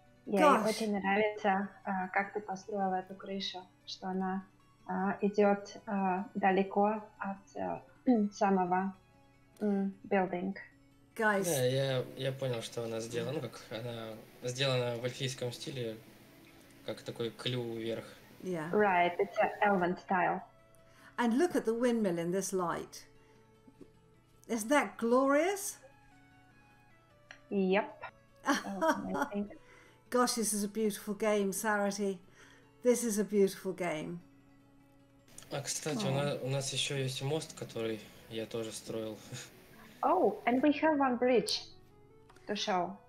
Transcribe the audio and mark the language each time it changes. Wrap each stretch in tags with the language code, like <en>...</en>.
<ru>Yeah, мне очень нравится, как ты построила эту крышу, что она идет далеко от самого building.</ru> <en>Guys.</en> <ru>Yeah, я понял, что она сделана, ну как она сделана в эльфийском стиле, как такой клюв вверх.</ru> <en>Yeah. Right, it's an elven style. And look at the windmill in this light. Isn't that glorious? Yep. Gosh, this is a beautiful game, Saraty. This is a beautiful game.</en> <ru>А кстати, у нас еще есть мост, который я тоже строил.</ru> <en>Oh, and we have one bridge to show.</en>